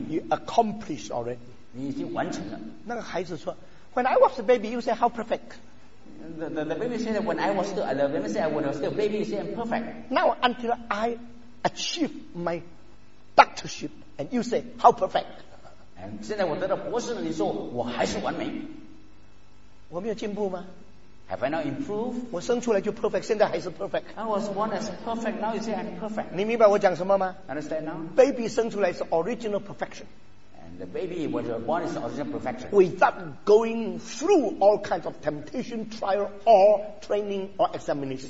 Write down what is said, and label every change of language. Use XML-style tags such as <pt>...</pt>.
<en>You accomplished already</en> <zh>你已经完成了那个孩子说</zh> <en>When I was a baby you said how perfect the baby said that when I was still when I said when I was still a baby you said I'm perfect Now until I achieve my doctorship and you say how perfect</en> <zh>And 现在我得到博士了你说我还是完美我没有进步吗</zh> <en>Have I not improved</en> <zh>我生出来就 perfect 现在还是 perfect</zh> <en>I was born as perfect now you say I'm perfect</en> <zh>你明白我讲什么吗</zh> <en>Understand now Baby</en> <zh>生出来是</zh> <en>original perfection And the baby when you're born is original perfection Without going through all kinds of temptation, trial or training or examination</en>